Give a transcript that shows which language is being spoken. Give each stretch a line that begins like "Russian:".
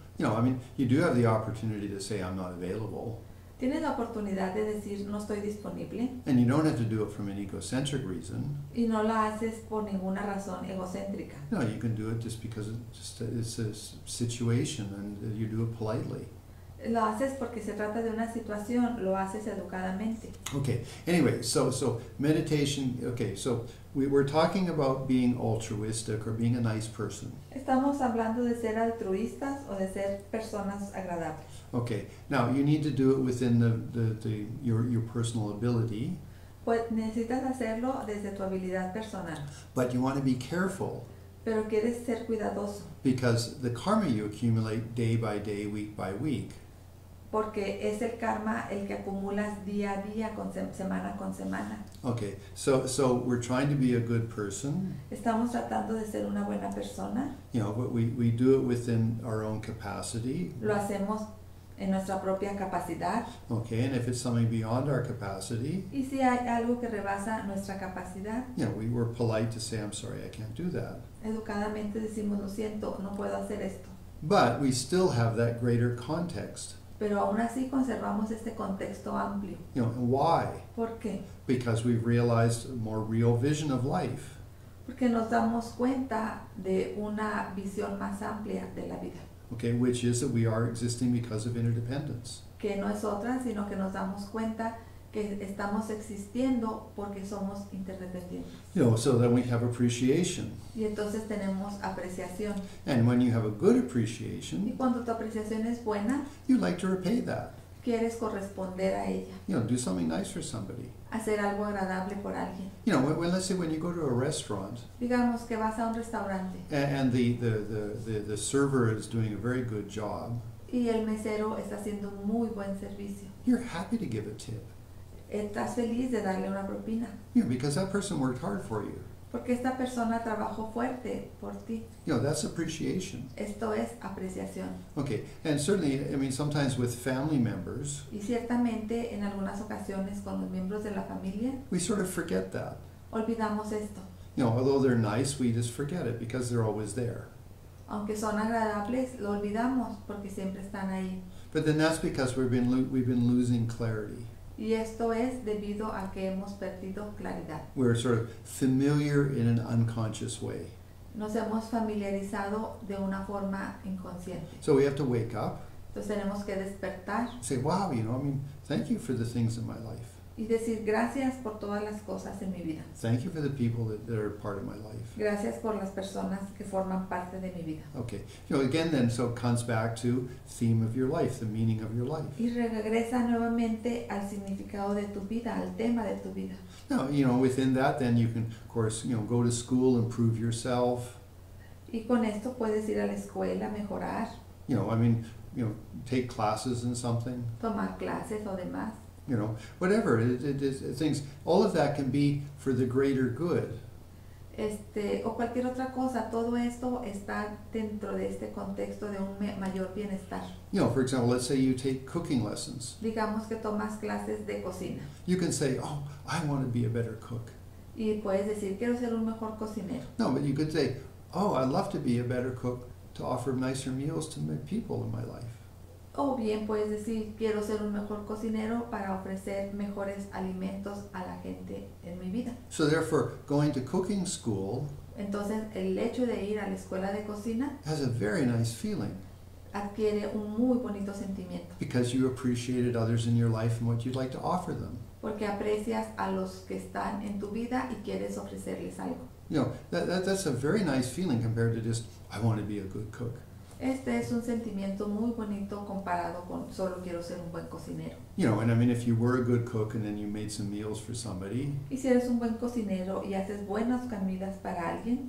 English: No, I mean, you do have the opportunity to say I'm not available.
Spanish: Tienes la oportunidad de decir no estoy disponible.
English: And you don't have to do it from an egocentric reason.
Spanish: Y no lo haces por ninguna razón egocéntrica.
English: No, you can do it just because it's a situation and you do it politely.
Spanish: Lo haces porque se trata de una situación, lo haces educadamente.
English: Okay. Anyway, so meditation, okay. So we were talking about being altruistic or being a nice person.
Spanish: Estamos hablando de ser altruistas o de ser personas agradables.
English: Okay. Now you need to do it within your personal ability.
Spanish: Pues necesitas hacerlo desde tu habilidad personal.
English: But you want to be careful.
Spanish: Pero quieres ser cuidadoso.
English: Because the karma you accumulate day by day, week by week.
Spanish: Porque es el karma el que acumulas día a día, con semana con semana.
English: Okay, so we're trying to be a good person.
Spanish: Estamos tratando de ser una buena persona.
English: You know, but we do it within our own capacity.
Spanish: Lo hacemos en nuestra propia capacidad.
English: Okay, and if it's something beyond our capacity.
Spanish: Y si hay algo que rebasa nuestra capacidad.
English: You know, we were polite to say, I'm sorry, I can't do that.
Spanish: Educadamente decimos, lo siento, no puedo hacer esto.
English: But we still have that greater context.
Spanish: Pero aún así conservamos este contexto amplio.
English: You know, why?
Spanish: ¿Por qué?
English: Because we've realized a more real vision of life.
Spanish: Porque nos damos cuenta de una visión más amplia de la vida.
English: Okay, which is that we are existing because of interdependence.
Spanish: Que no es otra, sino que nos damos cuenta que estamos existiendo porque somos interdependientes.
English: You know, so then we have appreciation.
Spanish: Y entonces tenemos apreciación.
English: And when you have a good appreciation,
Spanish: y cuando tu apreciación es buena,
English: you like to repay that.
Spanish: Quieres corresponder a ella.
English: You know, do something nice for somebody.
Spanish: Hacer algo agradable por alguien.
English: You know, when let's say when you go to a restaurant,
Spanish: digamos que vas a un restaurante,
English: and the server is doing a very good job,
Spanish: y el mesero está haciendo un muy buen servicio,
English: you're happy to give a tip.
Spanish: Estás feliz de darle una propina.
English: Yeah, because that person worked hard for you.
Spanish: Porque esta persona trabajó fuerte por ti.
English: You know, that's appreciation.
Spanish: Esto es apreciación.
English: Okay, and certainly, I mean, sometimes with family members.
Spanish: Y ciertamente en algunas ocasiones con los miembros de la familia.
English: We sort of forget that.
Spanish: Olvidamos esto.
English: You know, although they're nice, we just forget it because they're always there.
Spanish: Aunque son agradables, lo olvidamos porque siempre están ahí.
English: But then that's because we've been losing clarity.
Spanish: Y esto es debido a que hemos perdido claridad.
English: We're sort of familiar in an unconscious way.
Spanish: Nos hemos familiarizado de una forma inconsciente.
English: So we have to wake up.
Spanish: Entonces tenemos que despertar.
English: Say, wow, you know, I mean, thank you for the things in my life.
Spanish: Y decir gracias por todas las cosas en mi vida.
English: Thank you for the people that are part of my life.
Spanish: Gracias por las personas que forman parte de mi vida.
English: Okay. You know, again then, so it comes back to theme of your life, the meaning of your life.
Spanish: Y regresa nuevamente al significado de tu vida, al tema de tu vida.
English: Now, you know, within that then you can, of course, you know, go to school, improve yourself.
Spanish: Y con esto puedes ir a la escuela, mejorar.
English: You know, I mean, you know, take classes in something.
Spanish: Tomar clases o demás.
English: You know, whatever, it things, all of that can be for the greater good.
Spanish: O cualquier otra cosa, todo esto está dentro de este contexto de un mayor bienestar.
English: You know, for example, let's say you take cooking lessons.
Spanish: Digamos que tomas clases de cocina.
English: You can say, oh, I want to be a better cook.
Spanish: Y puedes decir, quiero ser un mejor cocinero.
English: No, but you could say, oh, I'd love to be a better cook to offer nicer meals to my people in my life.
Spanish: O bien puedes decir, quiero ser un mejor cocinero para ofrecer mejores alimentos a la gente en mi vida.
English: So therefore, going to cooking school,
Spanish: entonces el hecho de ir a la escuela de cocina,
English: has a very nice feeling.
Spanish: Adquiere un muy bonito sentimiento.
English: Because you appreciated others in your life and what you'd like to offer them.
Spanish: Porque aprecias a los que están en tu vida y quieres ofrecerles algo.
English: You know, that's a very nice feeling compared to just, I want to be a good cook.
Spanish: Este es un sentimiento muy bonito comparado con solo quiero ser un buen cocinero.
English: You know, and I mean, if you were a good cook and then you made some meals for somebody.
Spanish: Y si eres un buen cocinero y haces buenas comidas para alguien.